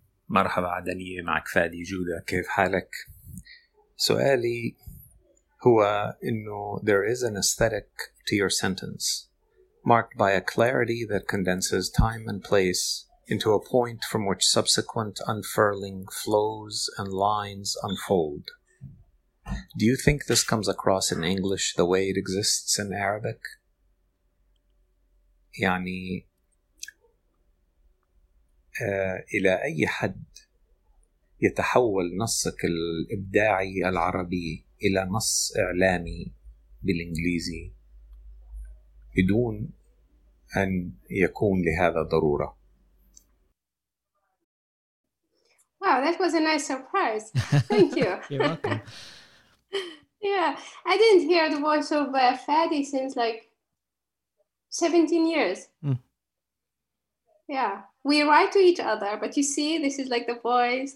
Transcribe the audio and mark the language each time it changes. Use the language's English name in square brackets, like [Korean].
[Arabic] مرحبا عدنية معك فادي جودة كيف حالك؟ سؤالي هو إنه [English] there is an aesthetic to your sentence marked by a clarity that condenses time and place into a point from which subsequent unfurling flows and lines unfold. Do you think this comes across in English the way it exists in Arabic? [Arabic] يعني إلى أي حد يتحول نصك الإبداعي العربي إلى نص إعلامي بالإنجليزي بدون أن يكون لهذا ضرورة؟ [English] Wow, that was a nice surprise. Thank you. You're welcome. Yeah, I didn't hear the voice of Fadi since like 17 years. Yeah, we write to each other, but you see, this is like the voice.